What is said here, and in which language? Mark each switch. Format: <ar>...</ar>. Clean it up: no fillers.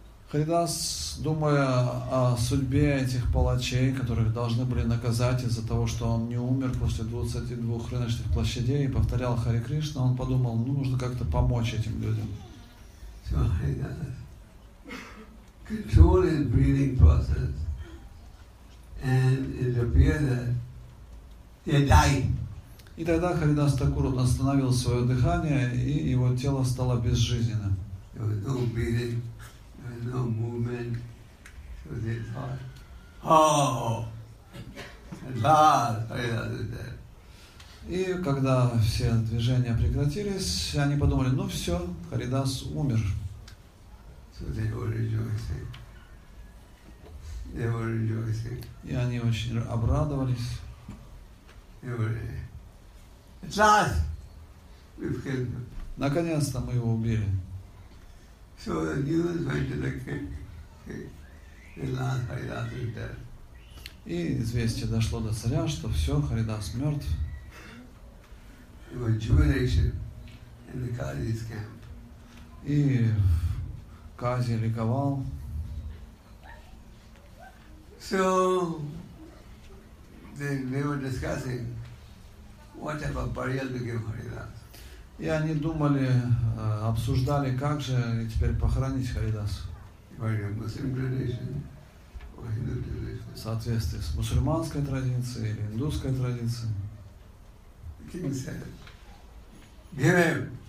<ru>Харидас, думая о судьбе этих палачей, которых должны были наказать из-за того, что он не умер после 22 рыночных площадей, и повторял Хари Кришна, он подумал, ну, нужно как-то помочь этим людям.</ru> <en>So, Haridas, control his breathing process, and it appeared that he died.</en> <ru>И тогда Харидас Такур остановил свое дыхание, и его тело стало безжизненным.</ru> <en>There was no breathing, there was no movement. So they thought, oh, at last, Haridas is dead.</en> <ru>И когда все движения прекратились, они подумали, ну все, Харидас умер.</ru> <en>So they were rejoicing. They were rejoicing.</en> <ru>И они очень обрадовались.</ru> <en>They were, at last, we've killed him.</en> <ru>Наконец-то мы его убили.</ru> <en>So the news went to the king. Haridas is dead.</en> <ru>И известие дошло до царя, что все, Харидас мертв.</ru> <en>It was jubilation in the Kazi's camp.</en> <ru>И Кази ликовал.</ru> <en>So they were discussing what type of burial to give Haridas.</en> <ru>И они думали, обсуждали, как же теперь похоронить Харидасу. В соответствии с мусульманской традицией или индусской традицией.</ru>